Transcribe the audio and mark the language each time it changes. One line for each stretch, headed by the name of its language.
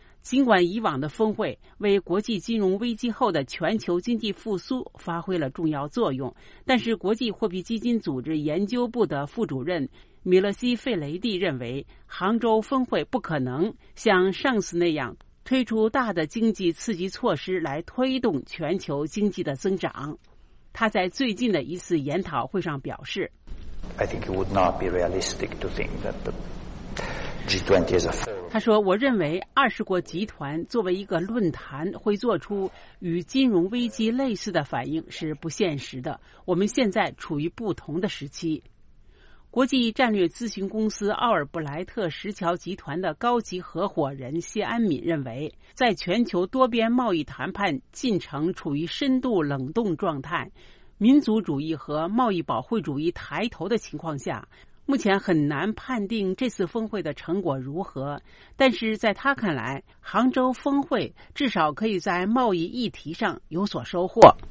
Chinese: 尽管以往的峰会为国际金融危机后的全球经济复苏发挥了重要作用，但是国际货币基金组织研究部的副主任米勒西·费雷蒂认为，杭州峰会不可能像上次那样推出大的经济刺激措施来推动全球经济的增长。他在最近的一次研讨会上表示，
English: I think it would not be realistic to think that the G20 is a forum.
Chinese: 他说，我认为二十国集团作为一个论坛会做出与金融危机类似的反应是不现实的，我们现在处于不同的时期。国际战略咨询公司奥尔布莱特石桥集团的高级合伙人谢安敏认为，在全球多边贸易谈判进程处于深度冷冻状态，民族主义和贸易保护主义抬头的情况下，目前很难判定这次峰会的成果如何，但是在他看来，杭州峰会至少可以在贸易议题上有所收获。